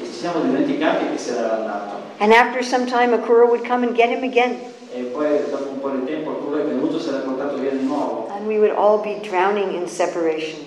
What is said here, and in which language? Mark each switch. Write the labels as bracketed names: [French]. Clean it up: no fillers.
[Italian] E ci siamo dimenticati che si era andato. [English] And after some time Akura would come and get him again. [Italian] E poi dopo un po' di tempo Akura è venuto e se l'ha portato via di nuovo. [English] And we would all be drowning in separation.